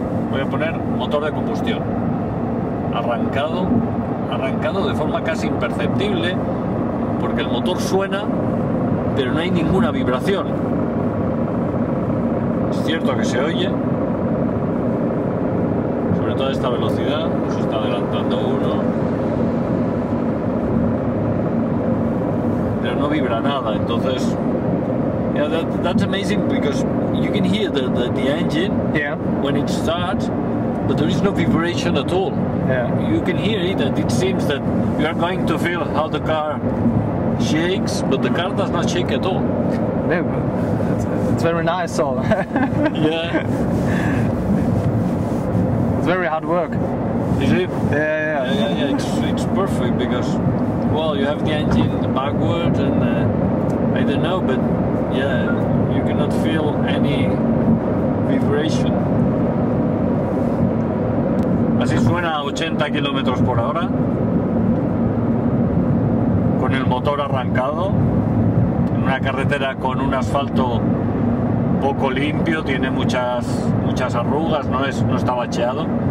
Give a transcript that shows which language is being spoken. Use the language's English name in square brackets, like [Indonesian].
[Spanish] Voy a poner motor de combustión. Arrancado de forma casi imperceptible, porque el motor suena, pero no hay ninguna vibración. Es cierto que se oye, sobre todo a esta velocidad, pues se está adelantando uno, pero no vibra nada. [English] Entonces, yeah, that's amazing because you can hear the engine, yeah, when it starts, but there is no vibration at all. Yeah, you can hear it, and it seems that you are going to feel how the car shakes, but the car does not shake at all. No. It's very nice, so. Yeah. It's very hard work. Is it? Yeah. It's perfect because, well, you have the engine backward, and I don't know, but yeah, you cannot feel any vibration. [Spanish] Así suena a 80 kilómetros por hora con el motor arrancado en una carretera con un asfalto poco limpio, tiene muchas arrugas, no está bacheado.